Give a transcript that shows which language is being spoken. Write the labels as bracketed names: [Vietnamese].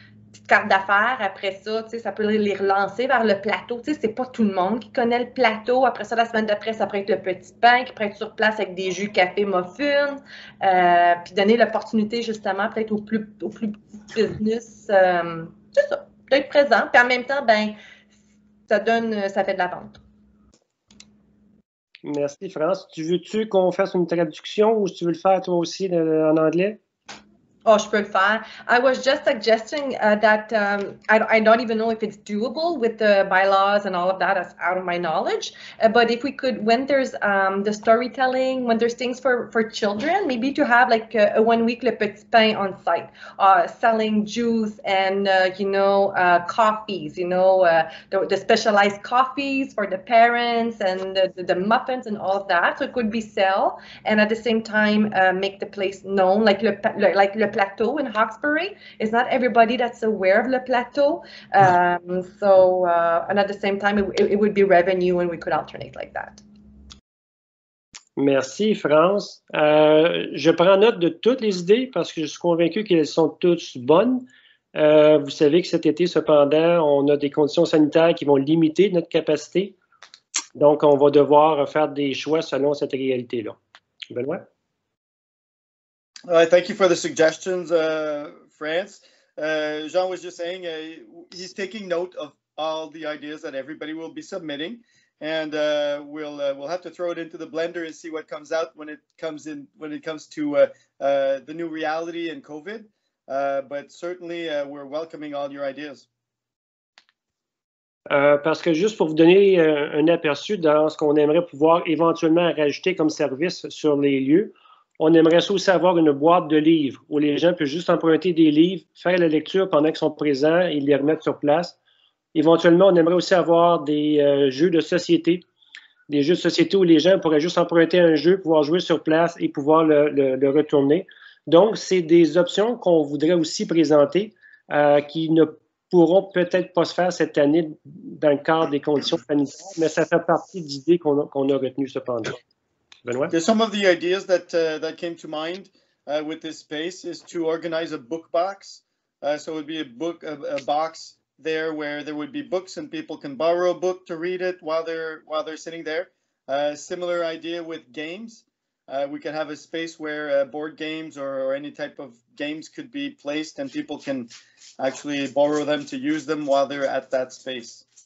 [French] petite carte d'affaires, après ça, ça peut les relancer vers le plateau, c'est pas tout le monde qui connaît le plateau, après ça, la semaine d'après, ça pourrait être le petit pain qui pourrait être sur place avec des jus, café, muffins, puis donner l'opportunité justement peut-être au plus petit business, c'est ça. D'être présent, puis en même temps, ben ça fait de la vente. Merci, France. Tu veux-tu qu'on fasse une traduction ou tu veux le faire toi aussi en anglais? Oh, je peux le faire. [English] I was just suggesting I don't even know if it's doable with the bylaws and all of that. That's out of my knowledge. But if we could, when there's the storytelling, when there's things for children, maybe to have like a 1 week le petit pain on site, selling juice and coffees, the specialized coffees for the parents and the muffins and all of that. So it could be sell and at the same time make the place known, like le plateau in Hawkesbury. It's not everybody that's aware of Le Plateau. And at the same time, it would be revenue and we could alternate like that. [French] Merci, France. Je prends note de toutes les idées parce que je suis convaincu qu'elles sont toutes bonnes. Vous savez que cet été, cependant, on a des conditions sanitaires qui vont limiter notre capacité. Donc, on va devoir faire des choix selon cette réalité-là. Benoît? [English] Thank you for the suggestions, France. Jean was just saying he's taking note of all the ideas that everybody will be submitting. And we'll have to throw it into the blender and see what comes out when it comes in, when it comes to the new reality and COVID. But certainly, we're welcoming all your ideas. [French] Parce que juste pour vous donner un aperçu dans ce qu'on aimerait pouvoir éventuellement rajouter comme service sur les lieux, on aimerait aussi avoir une boîte de livres où les gens peuvent juste emprunter des livres, faire la lecture pendant qu'ils sont présents et les remettre sur place. Éventuellement, on aimerait aussi avoir des jeux de société, des jeux de société où les gens pourraient juste emprunter un jeu, pouvoir jouer sur place et pouvoir le retourner. Donc, c'est des options qu'on voudrait aussi présenter qui ne pourront peut-être pas se faire cette année dans le cadre des conditions sanitaires, mais ça fait partie d'idées qu'on a retenues cependant. Benoît? [English] There's some of the ideas that that came to mind with this space is to organize a book box. So it would be a box there where there would be books and people can borrow a book to read it while they're sitting there. Similar idea with games. We could have a space where board games or any type of games could be placed and people can actually borrow them to use them while they're at that space.